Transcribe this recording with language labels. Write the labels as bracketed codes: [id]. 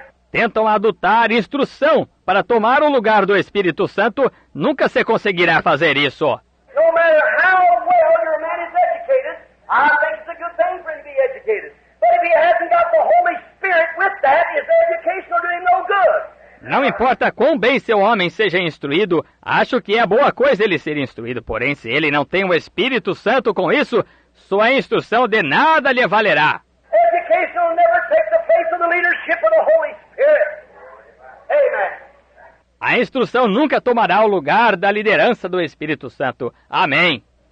[pt] Tentam adotar instrução para tomar o lugar do Espírito Santo. Nunca se conseguirá fazer isso. [en] No matter how well your man is educated, I think it's a good thing for him to be educated. But if he hasn't got the Holy Spirit with that, his education will do him no good. [pt] Não importa quão bem seu homem seja instruído, acho que é boa coisa ele ser instruído. Porém, se ele não tem o Espírito Santo com isso, sua instrução de nada lhe valerá. [en] Education will never take the place of the leadership of the Holy Spirit. Amen. [pt] A instrução nunca tomará o lugar da liderança do Espírito Santo. Amém.